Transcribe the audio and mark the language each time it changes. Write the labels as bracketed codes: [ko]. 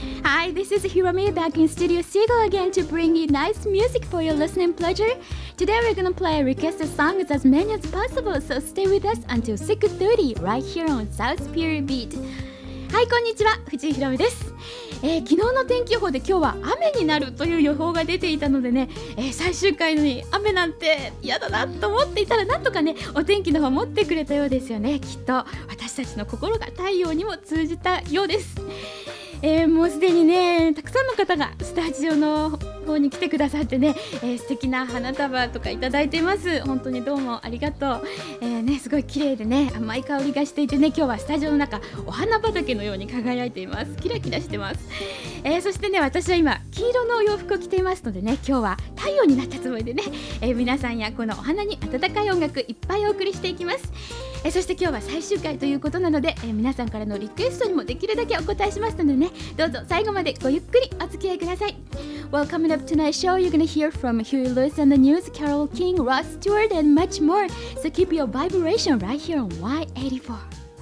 [en] Hi, this is Hiromi back in Studio Seagull again to bring you nice music for your listening pleasure. Today we're gonna play requested songs as many as possible, so stay with us until 6:30 right here on South Pier Beat. [ja] はい、こんにちは、藤井ひろみです。昨日の天気予報で今日は雨になるという予報が出ていたのでね、最終回に雨なんて嫌だなと思っていたら、なんとかねお天気の方持ってくれたようですよね。きっと私たちの心が太陽にも通じたようです。もうすでにねたくさんの方がスタジオの方に来てくださってね、素敵な花束とかいただいています。本当にどうもありがとう。ね、すごい綺麗でね甘い香りがしていてね、今日はスタジオの中お花畑のように輝いています。キラキラしてます。そしてね私は今黄色のお洋服を着ていますのでね、今日は太陽になったつもりでね、皆さんやこのお花に温かい音楽いっぱいお送りしていきます。そして今日は最終回ということなので、皆さんからのリクエストにもできるだけお答えしましたのでね、どうぞ最後までごゆっくりお付き合いください。 [en] Well, coming up tonight's show, you're gonna hear from Huey Lewis and the News, Carole King, Rod Stewart and much more. So keep your vibration right here on Y84.